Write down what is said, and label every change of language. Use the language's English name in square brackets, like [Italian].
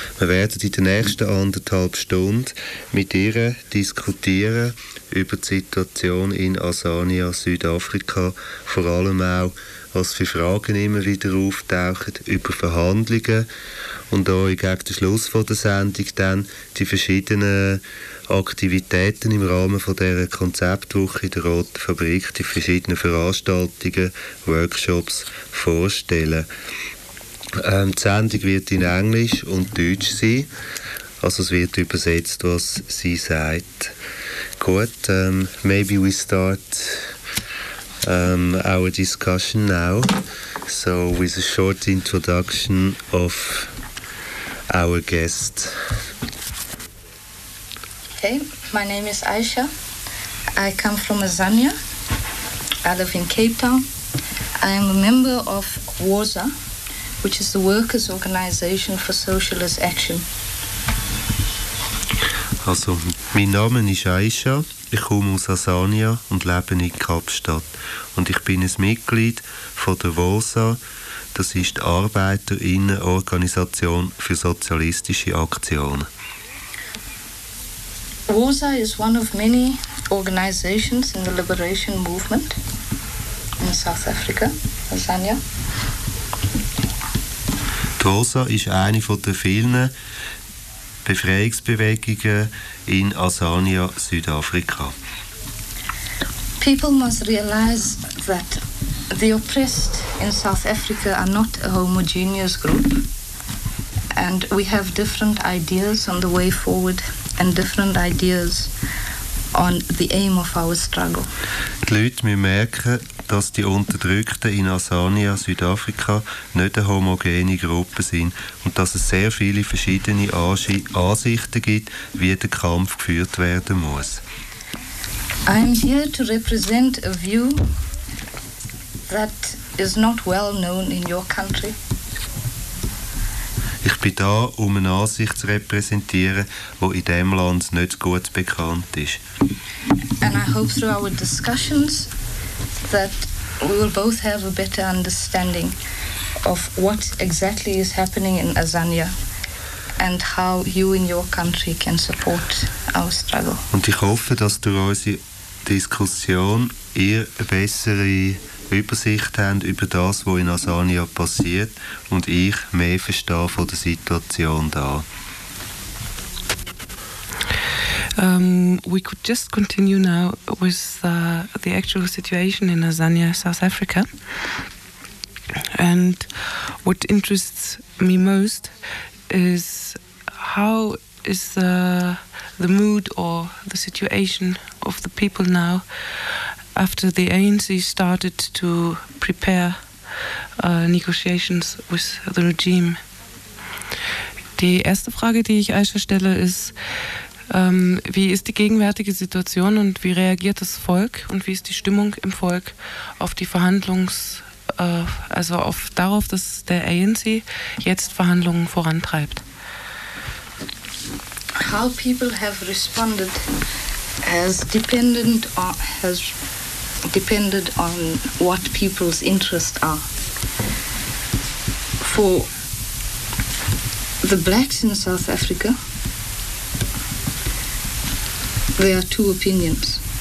[German] Wir werden in der nächsten anderthalb Stunde mit ihr diskutieren über die Situation in Asania Südafrika, vor allem auch was für Fragen immer wieder auftauchen über Verhandlungen und auch gegen den Schluss von der Sendung dann die verschiedenen Aktivitäten im Rahmen von dieser Konzeptwoche in der Roten Fabrik, die verschiedenen Veranstaltungen, Workshops vorstellen. Die Sendung wird in Englisch und Deutsch sein, also es wird übersetzt, was sie sagt. [English] Gut, maybe we start our discussion now, so with a short introduction of our guest. Hey, my name is Aisha. I come from Zambia. I live in Cape Town. I am a member of WOSA, which is the Workers' Organization for Socialist Action. [German] Also, mein Name ist Aisha. Ich komme aus Asania und lebe in Kapstadt. Und ich bin ein Mitglied von der WOSA, das ist die ArbeiterInnenorganisation für sozialistische Aktionen. [English] WOSA is one of many organizations in the liberation movement in South Africa, Asania. [German] Die WOSA ist eine von den vielen Befreiungsbewegungen in Asania, Südafrika. [English] People must realize that the oppressed in South Africa are not a homogeneous group, and we have different ideas on the way forward and different ideas on the aim of our struggle. [German] Die Leute müssen merken, dass die Unterdrückten in Asania, Südafrika, nicht eine homogene Gruppe sind und dass es sehr viele verschiedene Ansichten gibt, wie der Kampf geführt werden muss. [English] I am here to represent a view that is not well known in your country. [German] Ich bin da, um eine Ansicht zu repräsentieren, die in diesem Land nicht gut bekannt ist. [English] And I hope through our discussions that we will both have a better understanding of what exactly is happening in Asania and how you in your country can support our struggle. [German] Und ich hoffe, dass durch unsere Diskussion ihr eine bessere Übersicht habt über das, was in Asania passiert, und ich mehr verstehe von der Situation da. [English] We could just continue now with the actual situation in Asania, South Africa. And what interests me most is how is the mood or the situation of the people now after the ANC started to prepare negotiations with the regime. [German] Die erste Frage, die ich Aisha stelle, ist, wie ist die gegenwärtige Situation und wie reagiert das Volk und wie ist die Stimmung im Volk auf die Verhandlungs, also auf darauf, dass der ANC jetzt Verhandlungen vorantreibt? [English] How people have responded has dependent on, has depended on what people's interests are. For the blacks in South Africa, there are two opinions.